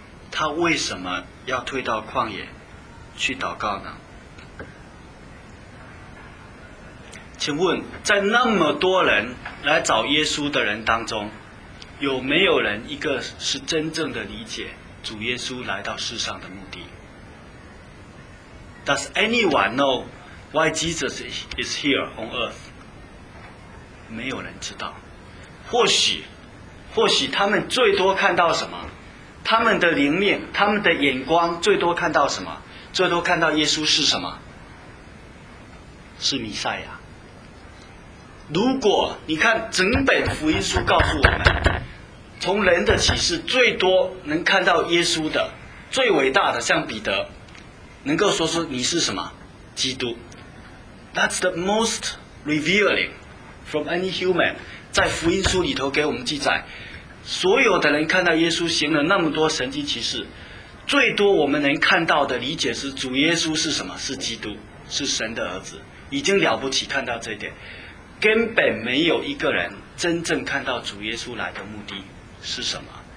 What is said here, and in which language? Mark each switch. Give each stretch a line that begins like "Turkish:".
Chinese: 他为什么要退到旷野去祷告呢？请问，在那么多人来找耶稣的人当中，有没有人一个是真正的理解主耶稣来到世上的目的？
English: Does anyone know why Jesus is here on earth?
Chinese: 没有人知道。或许他们最多看到什么？他们的灵命，他们的眼光最多看到什么？最多看到耶稣是什么？是弥赛亚。如果你看整本福音书告诉我们，从人的启示最多能看到耶稣的最伟大的，像彼得能够说出你是什么？基督。
English: That's the most revealing from any human。
Chinese: 在福音书里头给我们记载，所有的人看到耶稣行了那么多神迹奇事，最多我们能看到的理解是主耶稣是什么？是基督，是神的儿子，已经了不起看到这一点。根本没有一个人真正看到主耶稣来的目的是什么？